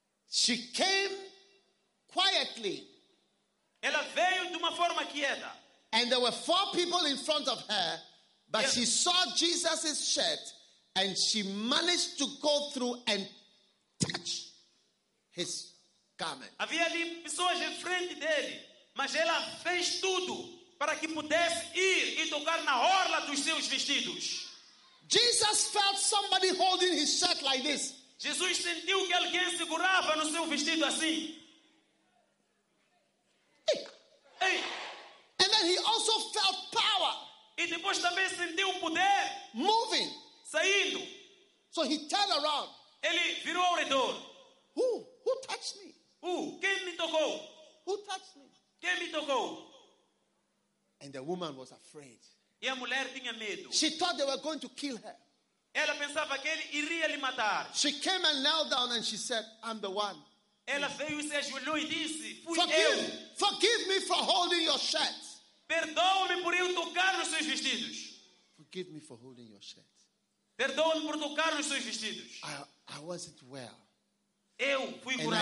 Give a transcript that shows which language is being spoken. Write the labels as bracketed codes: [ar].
[en] She came quietly. [pt] Ela veio de uma forma quieta. [en] And there were four people in front of her, but she saw Jesus' shirt and she managed to go through and touch his garment. [pt] Havia ali pessoas em frente dele, mas ela fez tudo para que pudesse ir e tocar na orla dos seus vestidos. [en] Jesus felt somebody holding his shirt like this. [pt] Jesus sentiu que alguém segurava no seu vestido assim. Hey. Hey. [en] And then he also felt power. [pt] E depois também sentiu o poder [en] moving. [pt] Saindo. [en] So he turned around. [pt] Ele virou ao redor. [en] Who touched me? [pt] Quem me tocou? [en] Who touched me? [pt] Quem me tocou? [en] And the woman was afraid. [pt] E a mulher tinha medo. [en] She thought they were going to kill her. [pt] Ela pensava que ele iria lhe matar. [en] She came and knelt down and she said, I'm the one. [pt] Ela veio e se ajoelhou e disse, fui eu. [en] Forgive me for holding your shirt. [pt] Perdoa-me por eu tocar nos seus vestidos. [en] Forgive me for holding your shirt. [pt] Perdoa-me por tocar nos seus vestidos. [en] I wasn't well. [pt] Eu fui [en] and [pt] curado.